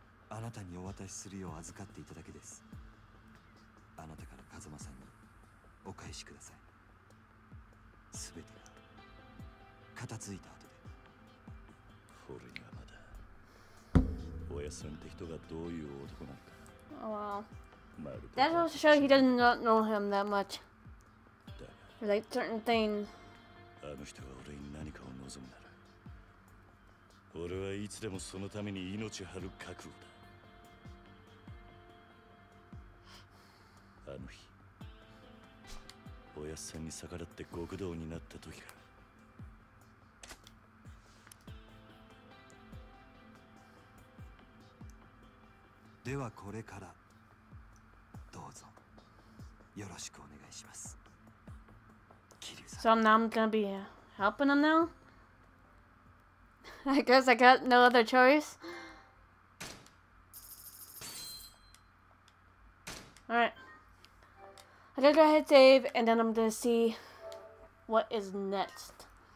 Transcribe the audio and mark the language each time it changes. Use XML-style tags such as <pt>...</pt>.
<ja>あなたにお渡しするよう預かっていただけです。あなたから風間さんにお返しください。すべてが片付いた後で。俺にはまだおやすさんって人がどういう男なのか。</ja> <en>Oh, wow. That also shows he does not know him that much. Like certain things.</en> <ja>あの人が俺に何かを望むなら、俺はいつでもそのために命張る覚悟だ。あの日、おやすさんに逆らって極道になった時から、ではこれから。よろしくお願いします。キリュウさん。</ja> <en>So now I'm gonna be helping him now? I guess I got no other choice. Alright. I gotta go ahead and save, and then I'm gonna see what is next.</en>